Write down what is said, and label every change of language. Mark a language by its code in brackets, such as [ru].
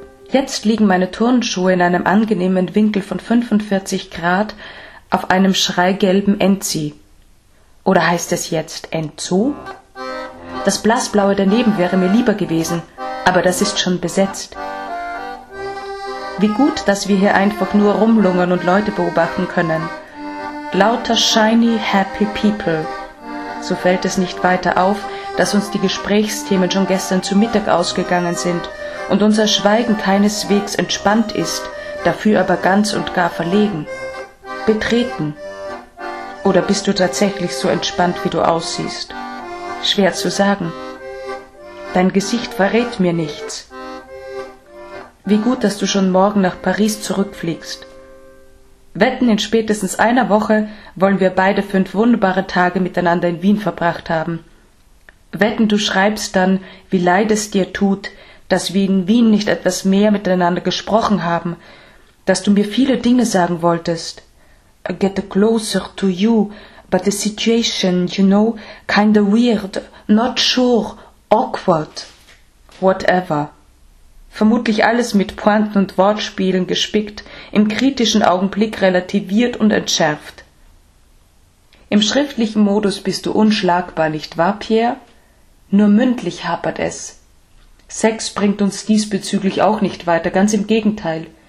[de] Jetzt liegen meine Turnschuhe in einem angenehmen Winkel von 45 Grad auf einem schreigelben Enzi. Oder heißt es jetzt Enzo? Das blassblaue daneben wäre mir lieber gewesen, aber das ist schon besetzt. Wie gut, dass wir hier einfach nur rumlungern und Leute beobachten können. Lauter [en] shiny happy people. [de] So fällt es nicht weiter auf, dass uns die Gesprächsthemen schon gestern zu Mittag ausgegangen sind. Und unser Schweigen keineswegs entspannt ist, dafür aber ganz und gar verlegen. Betreten. Oder bist du tatsächlich so entspannt, wie du aussiehst? Schwer zu sagen. Dein Gesicht verrät mir nichts. Wie gut, dass du schon morgen nach Paris zurückfliegst. Wetten, in spätestens einer Woche wollen wir beide 5 wunderbare Tage miteinander in Wien verbracht haben. Wetten, du schreibst dann, wie leid es dir tut, dass wir in Wien nicht etwas mehr miteinander gesprochen haben, dass du mir viele Dinge sagen wolltest. [en] I get closer to you, but the situation, you know, kinda weird, not sure, awkward. Whatever. [de] vermutlich alles mit Pointen und Wortspielen gespickt, im kritischen Augenblick relativiert und entschärft. Im schriftlichen Modus bist du unschlagbar, nicht wahr, Pierre? Nur mündlich hapert es. Sex bringt uns diesbezüglich auch nicht weiter, ganz im Gegenteil.